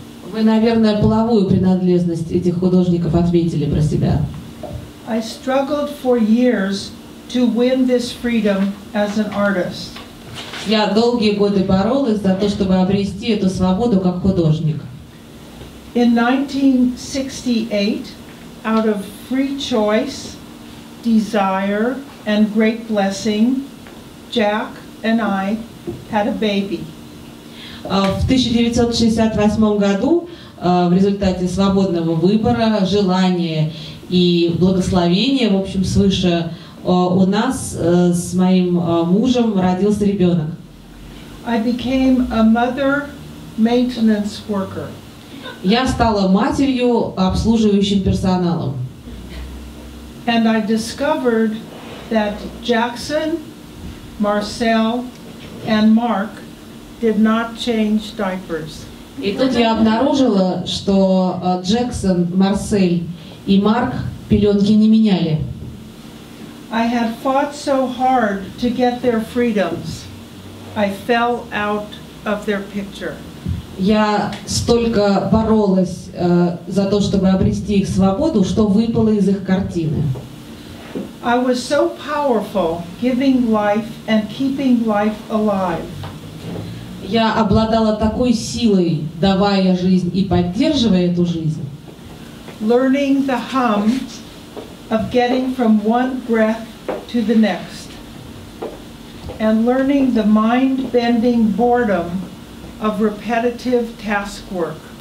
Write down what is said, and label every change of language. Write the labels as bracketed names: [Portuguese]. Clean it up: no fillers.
[Russian] Вы, наверное, половую принадлежность этих художников отметили про себя. [English] I struggled for years to win this freedom as an artist. [Russian] Я долгие годы боролась за то, чтобы обрести эту свободу как художник. [English] In 1968, out of free choice, desire, and great blessing, Jack and I had a baby. [Russian] В 1968 году, в результате свободного выбора, желания и благословения, в общем, свыше, у нас с моим мужем родился ребенок. [English] I became a mother maintenance worker. [Russian] Я стала матерью, обслуживающим персоналом. [English] And I discovered that Jackson, Marcel, and Mark did not change diapers. [Russian] И тут я обнаружила, что Джексон, Марсель и Марк пеленки не меняли. [English] I had fought so hard to get their freedoms. I fell out of their picture. [Russian] Я столько боролась за то, чтобы обрести их свободу, что выпала из их картины. [English] I was so powerful, giving life and keeping life alive. [Russian] Я обладала такой силой, давая жизнь и поддерживая эту жизнь. [English] Learning the hum of getting from one breath to the next. And learning the mind-bending boredom of repetitive task work.